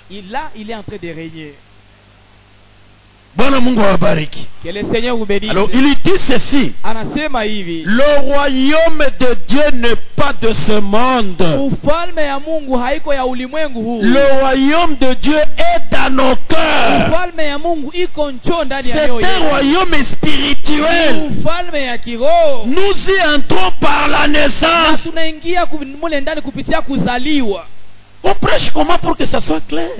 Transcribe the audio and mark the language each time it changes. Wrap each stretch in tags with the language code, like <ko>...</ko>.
<fr>Là, il est en train de régner. Que le Seigneur vous bénisse. Alors il dit ceci.</fr> <sw>Anasema hivi.</sw> <fr>Le royaume de Dieu n'est pas de ce monde.</fr> <sw>Ufalme ya Mungu haiko ya ulimwengu huu.</sw> <fr>Le royaume de Dieu est dans nos cœurs.</fr> <sw>Ufalme ya Mungu iko ncho ndani ya mioyo.</sw> <fr>C'est un royaume spirituel.</fr> <sw>Ufalme ya kiro.</sw> <fr>Nous y entrons par la naissance.</fr> <sw>Na tunaingia mule ndani kupitia kuzaliwa.</sw> <fr>On prêche comment pour que ça soit clair.</fr>